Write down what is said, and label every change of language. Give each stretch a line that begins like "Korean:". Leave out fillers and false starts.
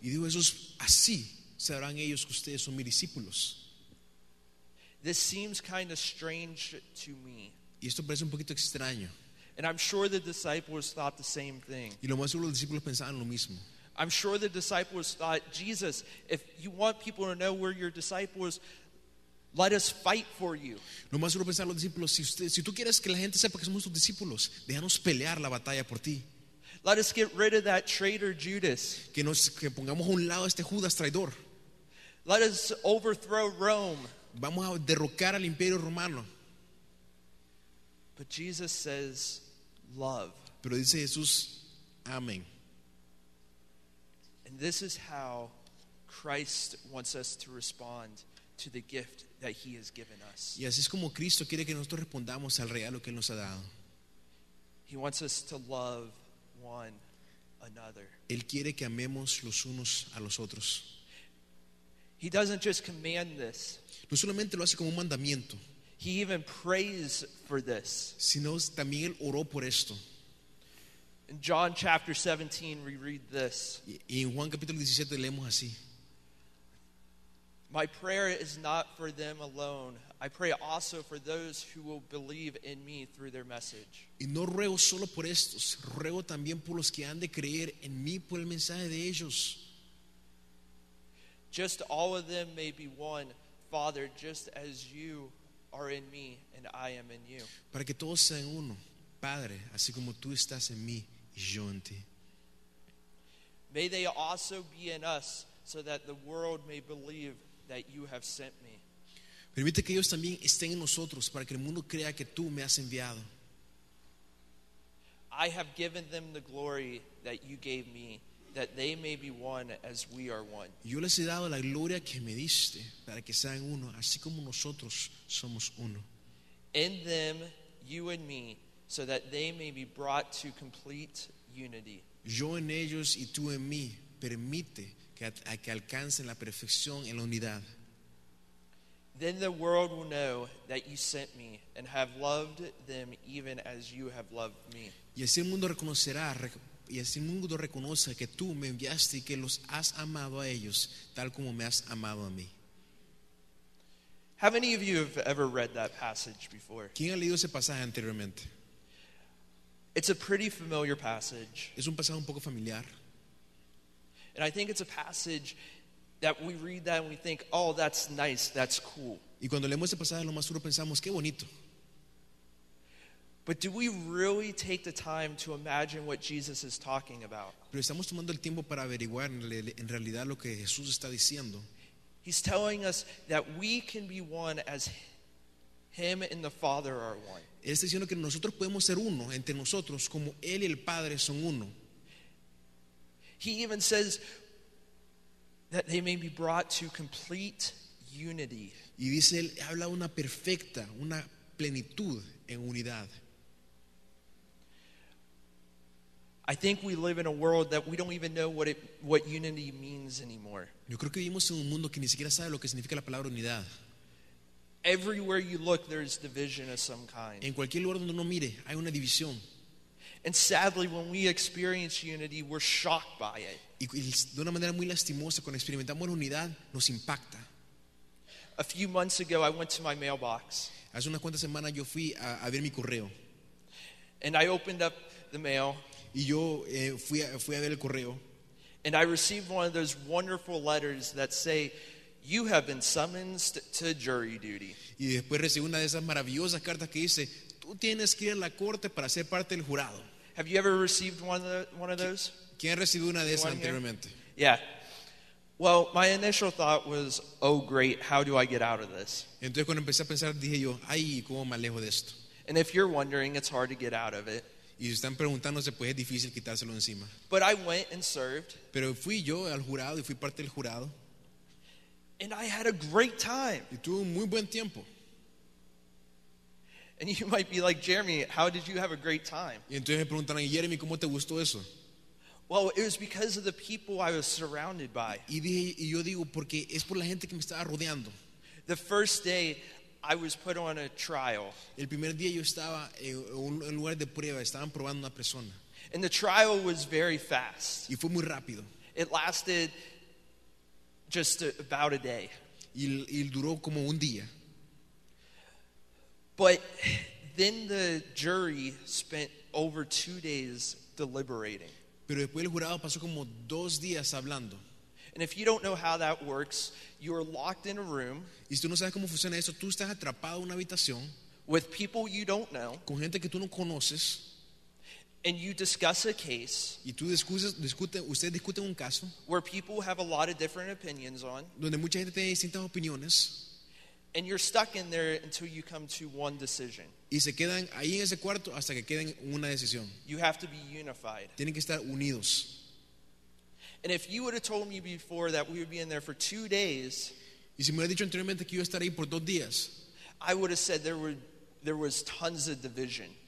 Spanish: Y dijo Jesús, así sabrán ellos que ustedes son mis discípulos.
English: This seems kind of strange to me.
Spanish: Y esto parece un poquito extraño.
English: And I'm sure the disciples thought the same thing.
Spanish: Y lo más seguro los discípulos pensaban lo mismo.
English: I'm sure the disciples thought, Jesus, if you want people to know we're your disciples, let us fight for you.
Spanish: Lo más seguro pensaban los discípulos, si tú quieres que la gente sepa que somos tus discípulos, déjanos pelear la batalla por ti.
English: Let us get rid of that traitor Judas.
Spanish: Que pongamos a un lado a este Judas traidor.
English: Let us overthrow Rome.
Spanish: Vamos a derrocar al Imperio Romano.
English: But Jesus says, love.
Spanish: Pero dice Jesús, amén.
English: And this is how Christ wants us to respond to the gift that he has given us.
Spanish: Y así es como Cristo quiere que nosotros respondamos al regalo que él nos ha dado.
English: He wants us to love one another.
Spanish: Él quiere que amemos los unos a los otros.
English: He doesn't just command this.
Spanish: No solamente lo hace como un mandamiento.
English: He even prays for this.
Spanish: Sino también él oró por esto.
English: In John chapter 17, we read this.
Spanish: Y en Juan capítulo 17 leemos así.
English: My prayer is not for them alone. I pray also for those who will believe in me through their message.
Spanish: Y no ruego solo por estos, ruego también por los que han de creer en mí por el mensaje de ellos.
English: just all of them may be one, Father, just as you are in me and I am in you.
Spanish: Para que todos sean uno, Padre, así como tú estás en mí y yo en ti.
English: May they also be in us, so that the world may believe that you have sent me.
Spanish: Permite que ellos también estén en nosotros para que el mundo crea que tú me has enviado.
English: I have given them the glory that you gave me, that they may be one as we are one.
Spanish: Yo les he dado la gloria que me diste para que sean uno, así como nosotros somos uno.
English: In them, you and me, so that they may be brought to complete unity.
Spanish: Yo en ellos y tú en mí, permite que alcancen la perfección en la unidad.
English: Then the world will know that you sent me and have loved them even as you have loved me.
Spanish: Y así el mundo reconocerá, y así el mundo reconoce que tú me enviaste y que los has amado a ellos tal como me has amado a mí.
English: How many of you have ever read that passage before?
Spanish: ¿Quién ha leído ese pasaje anteriormente?
English: It's a pretty familiar passage.
Spanish: Es un pasaje un poco familiar.
English: And I think it's a passage that we read that and we think, oh, that's nice, that's cool.
Spanish: Y cuando leemos ese pasaje, lo más duro pensamos, qué bonito.
English: But do we really take the time to imagine what Jesus is talking about?
Spanish: Pero estamos tomando el tiempo para averiguar en realidad lo que Jesús está diciendo.
English: He's telling us that we can be one as Him and the Father are one.
Spanish: Él está diciendo que nosotros podemos ser uno entre nosotros como Él y el Padre son uno.
English: He even says that they may be brought to complete unity.
Spanish: Y dice, él habla una perfecta, una plenitud en unidad.
English: I think we live in a world that we don't even know what unity means anymore.
Spanish: Yo creo que vivimos en un mundo que ni siquiera sabe lo que significa la palabra unidad.
English: Everywhere you look, there's division of some kind.
Spanish: En cualquier lugar donde uno mire, hay una división.
English: And sadly, when we experience unity, we're shocked by it.
Spanish: Y de una manera muy lastimosa, cuando experimentamos la unidad, nos impacta.
English: A few months ago, I went to my mailbox.
Spanish: Hace unas cuantas semanas, yo fui a ver mi correo.
English: And I opened up the mail.
Spanish: Y yo fui a ver el correo.
English: And I received one of those wonderful letters that say, "You have been summoned to jury duty."
Spanish: Y después recibí una de esas maravillosas cartas que dice, "Tú tienes que ir a la corte para ser parte del jurado."
English: Have you ever received one of those?
Spanish: ¿Quién ha recibido una de esas anteriormente?
English: Yeah. Well, my initial thought was, "Oh, great. How do I get out of this?"
Spanish: Entonces cuando empecé a pensar dije yo, "Ay, ¿cómo me alejo de esto?"
English: And if you're wondering, it's hard to get out of it.
Spanish: Y están preguntándose, pues es difícil quitárselo encima.
English: But I went and served.
Spanish: Pero fui yo al jurado y fui parte del jurado.
English: And I had a great time.
Spanish: Y tuve un muy buen tiempo.
English: And you might be like, "Jeremy, how did you have a great time?"
Spanish: Y entonces me preguntarán, "Jeremy, ¿cómo te gustó eso?"
English: Well, it was because of the people I was surrounded by.
Spanish: Y yo digo, porque es por la gente que me estaba rodeando.
English: The first day I was put on a trial.
Spanish: El primer día yo estaba en lugar de prueba, estaban probando una persona.
English: And the trial was very fast.
Spanish: Y fue muy rápido.
English: It lasted just about a day.
Spanish: Y duró como un día.
English: But then the jury spent over 2 days deliberating.
Spanish: Pero después el jurado pasó como 2 días hablando.
English: And if you don't know how that works, you are locked in a room.
Spanish: Y si tú no sabes cómo funciona eso, tú estás atrapado en una habitación
English: with people you don't know.
Spanish: Con gente que tú no conoces.
English: And you discuss a case.
Spanish: Y tú discuten un caso.
English: Where people have a lot of different opinions on.
Spanish: Donde mucha gente tiene distintas opiniones.
English: And you're stuck in there until you come to one decision.
Spanish: Y se quedan ahí en ese cuarto hasta que queden una decisión.
English: You have to be unified.
Spanish: Tienen que estar unidos.
English: And if you would have told me before that we would be in there for 2 days,
Spanish: y si me hubiera dicho anteriormente que iba a estar ahí por 2 días,
English: I would have said there was tons of division.